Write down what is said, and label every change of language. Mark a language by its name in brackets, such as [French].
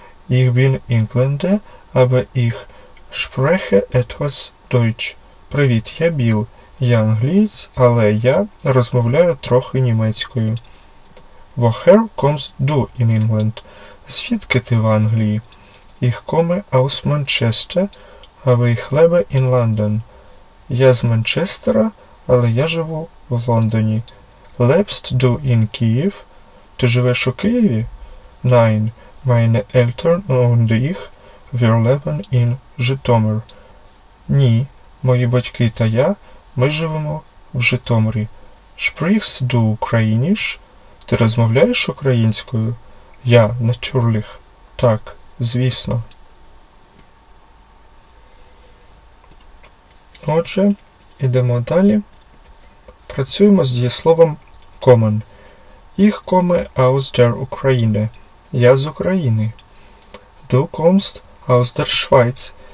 [German] Ich bin Engländer, aber ich spreche etwas Deutsch. [Ukrainian] Привіт, я Білл. Я англієць, але я розмовляю трохи німецькою. [German] Woher kommst du in England? [Ukrainian] Звідки ти в Англії? [German] Ich komme aus Manchester, aber ich lebe in London. [Ukrainian] Я з Манчестера, але я живу в Лондоні. [German] Lebst du in Kiev? [Ukrainian] Ти живеш у Києві? [German] Nein, meine Eltern und ich, wir leben in Житомир. [Ukrainian] Ні, мої батьки та я, ми живемо в Житомирі. [German] Sprichst du Ukrainisch? [Ukrainian] Ти розмовляєш українською? Я, [German] natürlich. [Ukrainian] Так, звісно. Отже, ідемо далі. Працюємо з дієсловом kommen. [German] Ich komme aus der Ukraine. [Ukrainian] Я з України. [German] Du kommst aus der Schweiz.